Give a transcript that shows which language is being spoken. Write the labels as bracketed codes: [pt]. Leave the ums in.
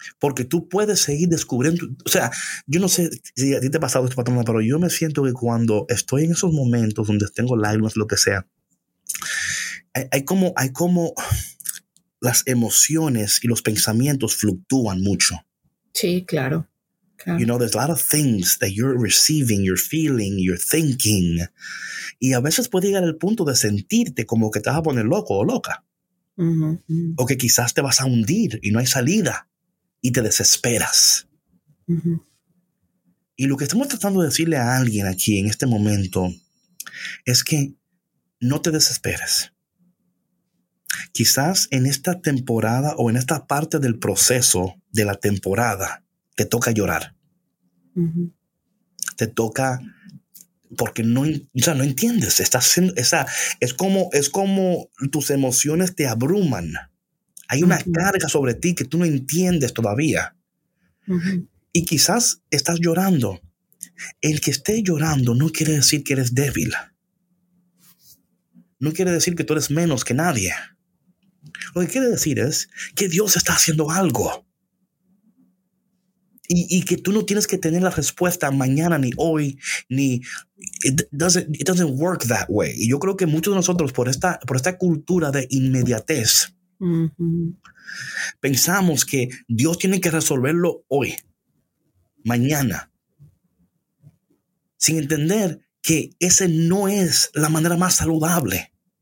[es] Porque tú puedes seguir descubriendo, o sea, yo no sé si a ti te ha pasado esto, patrona, pero yo me siento que cuando estoy en esos momentos donde tengo lágrimas, lo que sea, hay, como, hay como las emociones y los pensamientos fluctúan mucho. Sí, claro, claro. [en] You know, there's a lot of things that you're receiving, you're feeling, you're thinking. [es] Y a veces puede llegar al punto de sentirte como que te vas a poner loco o loca. Uh -huh, uh -huh. O que quizás te vas a hundir y no hay salida y te desesperas. Uh -huh. Y lo que estamos tratando de decirle a alguien aquí en este momento es que no te desesperes quizás en esta temporada o en esta parte del proceso de la temporada te toca llorar. Uh -huh. Te toca porque no, o sea, no entiendes. Estás esa, es, como, es como tus emociones te abruman. Hay una uh -huh. carga sobre ti que tú no entiendes todavía. Uh -huh. Y quizás estás llorando. El que esté llorando no quiere decir que eres débil. No quiere decir que tú eres menos que nadie. Lo que quiere decir es que Dios está haciendo algo. Y, y, que tú no tienes que tener la respuesta mañana, ni hoy, ni. [en] It doesn't, it doesn't, work that way. [es] Y yo creo que muchos de nosotros, por esta, por esta cultura de inmediatez, mm -hmm. pensamos que Dios tiene que resolverlo hoy, mañana, sin entender que esa no es la manera más saludable.